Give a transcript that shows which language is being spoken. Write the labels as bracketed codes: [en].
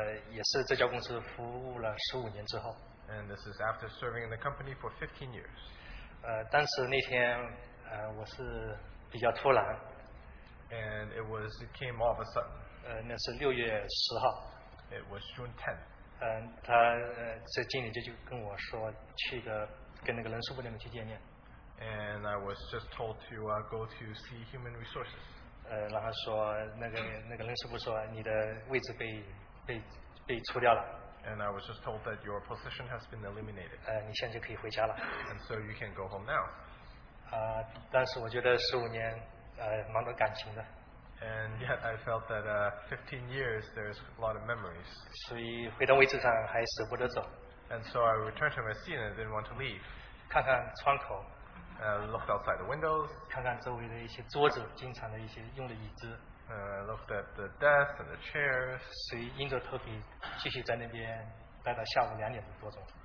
[zh] 也是这家公司服务了15年之后。 [en] And this is after serving in the company for 15 years. [zh] 当时那天，我是比较突然。 [en] And it came all of a sudden. [zh] 那是6月10号。 [en] It was June 10th. [zh] 他这经理就跟我说，去个跟那个人事部那边去见面。 [en] And I was just told to go to see human resources. [zh] 然后说那个人事部说你的位置被除掉了。 [en] And I was just told that your position has been eliminated. [zh] 你现在就可以回家了。 [en] And so you can go home now. [zh] 但是我觉得15年，蛮多感情的。 [en] And yet I felt that 15 years, there's a lot of memories. [zh] 所以回到位置上还舍不得走。And [en] so I returned to my seat and I didn't want to leave. [zh] 看看窗口。 [en] Looked outside the windows. [zh] 看看周围的一些桌子，经常的一些用的椅子。 [en] Looked at the desk and the chairs. [zh] 所以硬着头皮继续在那边待到下午2点多钟。